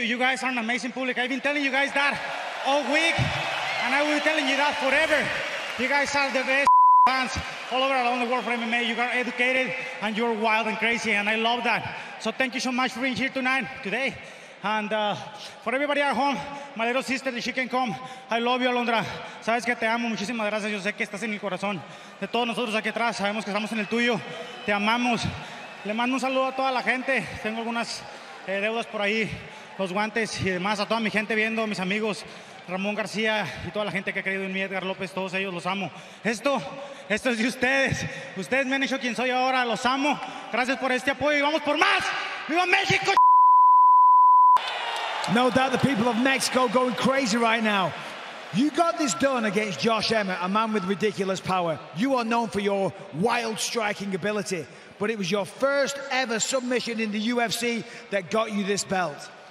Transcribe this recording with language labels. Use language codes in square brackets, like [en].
[en] You guys are an amazing public. I've been telling you guys that all week, and I will be telling you that forever. You guys are the best fans all over around the world for MMA. You are educated, and you're wild and crazy, and I love that. So thank you so much for being here tonight, today. And for everybody at home, my little sister, if she can come, I love you, Alondra. [es] Sabes que te amo. Muchísimas gracias. Yo sé que estás en mi corazón. De todos nosotros aquí atrás, sabemos que estamos en el tuyo. Te amamos. Le mando un saludo a toda la gente. Tengo algunas deudas por ahí, los guantes y demás. A toda mi gente viendo, mis amigos, Ramón García y toda la gente que ha creído en mí, Edgar López, todos ellos, los amo. Esto es de ustedes. Ustedes me han hecho quien soy ahora, los amo. Gracias por este apoyo y vamos por más. ¡Viva México! [en] No doubt the people of Mexico going crazy right now. You got this done against Josh Emmett, a man with ridiculous power. You are known for your wild striking ability, but it was your first ever submission in the UFC that got you this belt.